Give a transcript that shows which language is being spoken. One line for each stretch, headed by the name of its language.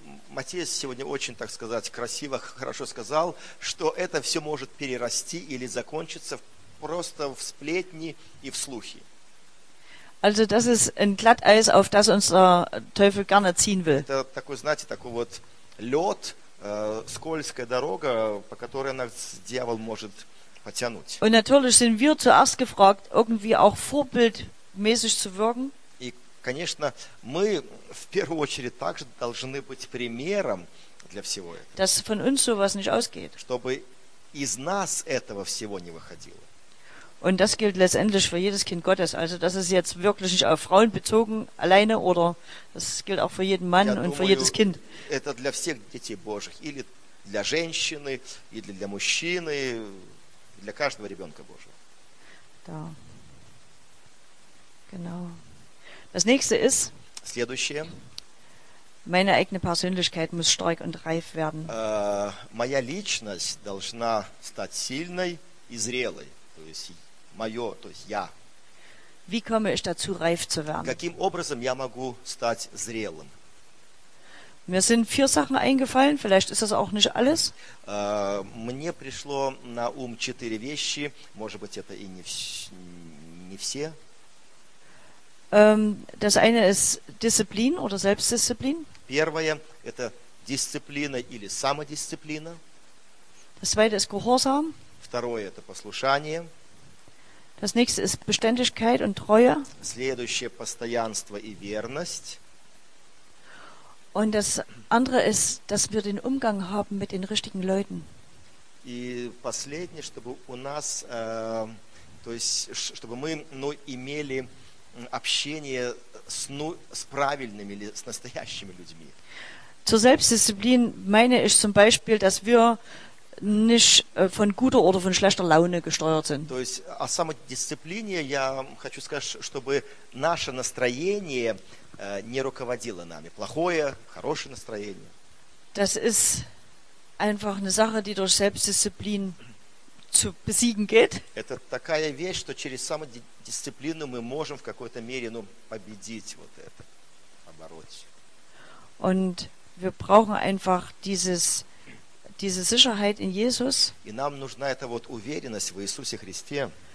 Russian: Матфей сегодня очень, так сказать, красиво, хорошо сказал, что это все может перерасти или закончиться просто в сплетни и в слухи.
German: Also das ist ein Glatteis, auf das uns der Teufel gerne ziehen will.
Russian: Это такой, знаете, такой вот лед, скользкая дорога, по которой нас дьявол может потянуть.
German: Und natürlich sind wir zuerst gefragt, irgendwie auch vorbildmäßig zu wirken.
Russian: И, конечно, мы в первую очередь также должны быть примером для всего этого.
German: Dass von uns sowas nicht ausgeht.
Russian: Чтобы из нас этого всего не выходило.
German: Und das gilt letztendlich für jedes Kind Gottes. Also das ist jetzt wirklich nicht auf Frauen bezogen, alleine, oder das gilt auch für jeden Mann und für jedes Kind.
Russian: Это для всех детей Божьих, или для женщины, и для мужчины, для каждого ребенка Божьего. Да.
German: Genau. Das nächste ist,
Russian: следующее.
German: Meine eigene Persönlichkeit muss stark und reif werden.
Russian: Моя личность должна стать сильной и зрелой. То есть мое, то есть я.
German: Wie komme ich dazu, reif zu werden?
Russian: Каким образом я могу стать зрелым?
German: Mir sind vier Sachen eingefallen, vielleicht ist das auch nicht alles.
Russian: Мне пришло на ум четыре вещи, может быть, это и не все.
German: Das eine ist Disziplin oder Selbstdisziplin.
Russian: Первое – это дисциплина или самодисциплина.
German: Das zweite ist Gehorsam.
Russian: Второе – это послушание.
German: Das nächste ist Beständigkeit und Treue.
Russian: Следующее – постоянство и верность.
German: Und das andere ist, dass wir den Umgang haben mit den richtigen Leuten.
Russian: И последнее, чтобы у нас, то есть, чтобы мы, ну, имели общение с, ну, с правильными или с настоящими людьми.
German: Zur Selbstdisziplin meine ich zum Beispiel, dass wir nicht von guter oder von schlechter Laune gesteuert sind.
Russian: То есть о самодисциплине я хочу сказать, чтобы наше настроение не руководило нами. Плохое, хорошее настроение.
German: Das ist einfach eine Sache, die durch Selbstdisziplin zu besiegen geht.
Russian: Это такая вещь, что через самодисциплину мы можем в какой-то мере, ну, победить вот это, побороть.
German: Und wir brauchen einfach diese Sicherheit in Jesus.
Russian: И нам нужна эта вот уверенность в Иисусе Христе.